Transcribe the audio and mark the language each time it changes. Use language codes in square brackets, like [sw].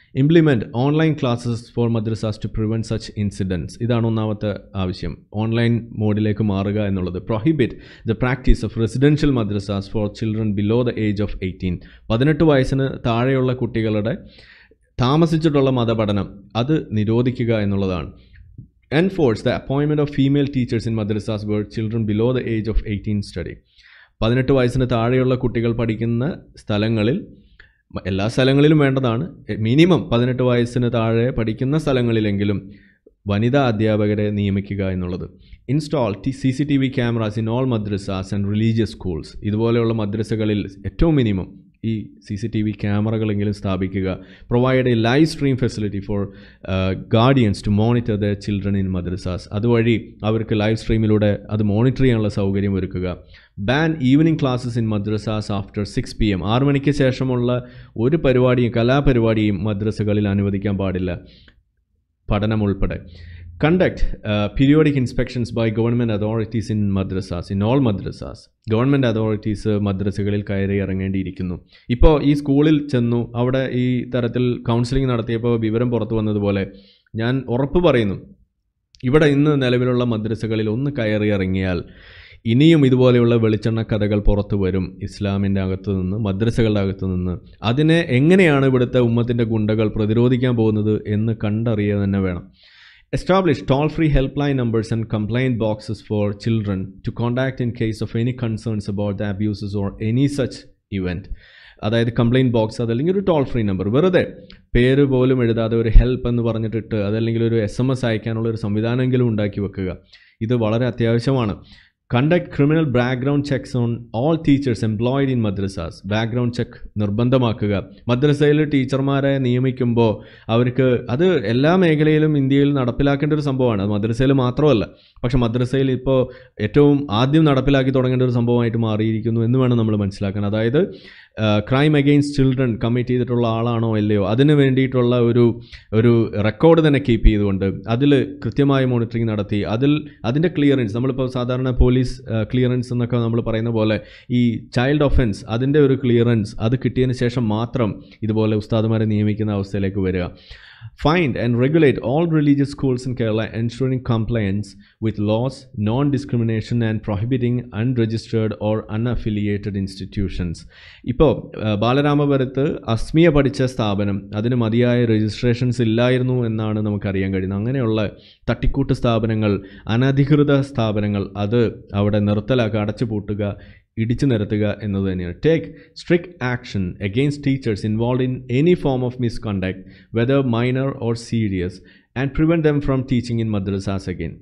[en] Implement online classes for madrasas to prevent such incidents. [ml] ഇതാണ് ഒന്നാമത്തെ ആവശ്യം, ഓൺലൈൻ മോഡിലേക്ക് മാറുക എന്നുള്ളത്. [en] Prohibit the practice of residential madrasas for children below the age of 18. [ml] 18 വയസ്സിന് താഴെയുള്ള കുട്ടികളുടെ താമസിച്ചിട്ടുള്ള മതപഠനം, അത് നിരോധിക്കുക എന്നുള്ളതാണ്. [en] Enforce the appointment of female teachers in madrasas where children below the age of 18 study. [ml] 18 വയസ്സിന് താഴെയുള്ള കുട്ടികൾ പഠിക്കുന്ന സ്ഥലങ്ങളിൽ, എല്ലാ സ്ഥലങ്ങളിലും വേണ്ടതാണ്, മിനിമം 18 വയസ്സിന് താഴെ പഠിക്കുന്ന സ്ഥലങ്ങളിലെങ്കിലും വനിതാ അധ്യാപകരെ നിയമിക്കുക എന്നുള്ളത്. [en] Install CCTV cameras in all madrasas and religious schools. [ml] ഇതുപോലെയുള്ള മദ്രസകളിൽ ഏറ്റവും മിനിമം ഈ CCTV ക്യാമറകളെങ്കിലും സ്ഥാപിക്കുക. [en] Provide a live stream facility for guardians to monitor the children in madrasas. [ml] അതുവഴി അവർക്ക് ലൈവ് സ്ട്രീമിലൂടെ അത് മോണിറ്റർ ചെയ്യാനുള്ള സൗകര്യം ഒരുക്കുക. [en] Ban evening classes in madrasas after 6 PM. [ml] 6 മണിക്ക് ശേഷമുള്ള ഒരു പരിപാടിയും കലാപരിപാടിയും മദ്രസകളിൽ അനുവദിക്കാൻ പാടില്ല പഠനം ഉൾപ്പെടെ. [en] Conduct periodic inspections by government authorities in madrasas, in all madrasas. [ml] Government authorities madrasagalil kayari irangendirikkunu. Ippo ee schoolil chennu avade ee tarathil counseling nadathiyappo vivaram porathu vannathu pole njan urappu parayunu ivade innu nilavilulla madrasagalil onnu kayari irangiyal ഇനിയും ഇതുപോലെയുള്ള വെളിച്ചെണ്ണ കഥകൾ പുറത്തു വരും ഇസ്ലാമിൻ്റെ അകത്തുനിന്ന്, മദ്രസകളുടെ അകത്തുനിന്ന്. അതിനെ എങ്ങനെയാണ് ഇവിടുത്തെ ഉമ്മത്തിൻ്റെ ഗുണ്ടകൾ പ്രതിരോധിക്കാൻ പോകുന്നത് എന്ന് കണ്ടറിയുക തന്നെ വേണം. [en] Establish toll free help line numbers and complaint boxes for children to contact in case of any concerns about the abuses or any such event. [ml] അതായത് കംപ്ലയിൻറ്റ് ബോക്സ് അതല്ലെങ്കിൽ ഒരു ടോൾ ഫ്രീ നമ്പർ, വെറുതെ പേര് പോലും എഴുതാതെ ഒരു ഹെൽപ്പ് എന്ന് പറഞ്ഞിട്ടിട്ട് അതല്ലെങ്കിൽ ഒരു SMS അയക്കാനുള്ള ഒരു സംവിധാനമെങ്കിലും ഉണ്ടാക്കി വെക്കുക. ഇത് വളരെ അത്യാവശ്യമാണ്. [en] Conduct criminal background checks on all teachers employed in madrasas. [ml] Background check നിർബന്ധമാക്കുക. മദ്രസയിൽ ടീച്ചർമാരെ നിയമിക്കുമ്പോൾ അവർക്ക്, അത് എല്ലാ മേഖലയിലും ഇന്ത്യയിൽ നടപ്പിലാക്കേണ്ട ഒരു സംഭവമാണ്, അത് മദ്രസയിൽ മാത്രമല്ല, പക്ഷെ മദ്രസയിൽ ഇപ്പോൾ ഏറ്റവും ആദ്യം നടപ്പിലാക്കി തുടങ്ങേണ്ട ഒരു സംഭവമായിട്ട് മാറിയിരിക്കുന്നു എന്ന് വേണം നമ്മൾ മനസ്സിലാക്കാൻ. അതായത് [en] crime against children [ml] കമ്മിറ്റ് ചെയ്തിട്ടുള്ള ആളാണോ ഇല്ലയോ അതിന് വേണ്ടിയിട്ടുള്ള ഒരു റെക്കോർഡ് തന്നെ കീപ്പ് ചെയ്തുകൊണ്ട് അതിൽ കൃത്യമായ മോണിറ്ററിംഗ് നടത്തി അതിൻ്റെ ക്ലിയറൻസ്, നമ്മളിപ്പോൾ സാധാരണ പോലീസ് ക്ലിയറൻസ് എന്നൊക്കെ നമ്മൾ പറയുന്ന പോലെ ഈ ചൈൽഡ് ഒഫൻസ് അതിൻ്റെ ഒരു ക്ലിയറൻസ് അത് കിട്ടിയതിന് ശേഷം മാത്രം ഇതുപോലെ ഉസ്താദുമാരെ നിയമിക്കുന്ന അവസ്ഥയിലേക്ക് വരിക. [en] Find and regulate all religious schools in Kerala, ensuring compliance with laws, non-discrimination and prohibiting unregistered or unaffiliated institutions. [ml] ഇപ്പോൾ ബാലരാമപുരത്ത് അസ്മിയ പഠിച്ച സ്ഥാപനം, അതിന് മതിയായ രജിസ്ട്രേഷൻസ് ഇല്ലായിരുന്നു എന്നാണ് നമുക്കറിയാൻ കഴിയുന്നത്. അങ്ങനെയുള്ള തട്ടിക്കൂട്ട് സ്ഥാപനങ്ങൾ, അനധികൃത സ്ഥാപനങ്ങൾ, അത് അവിടെ നിർത്തലാക്കുക, അടച്ചു പൂട്ടുക, ഇടിച്ചു നിരത്തുക എന്നത് തന്നെയാണ്. [en] Take strict action against teachers involve in any form of misconduct whether minor or serious and prevent them from teaching in madrasas again.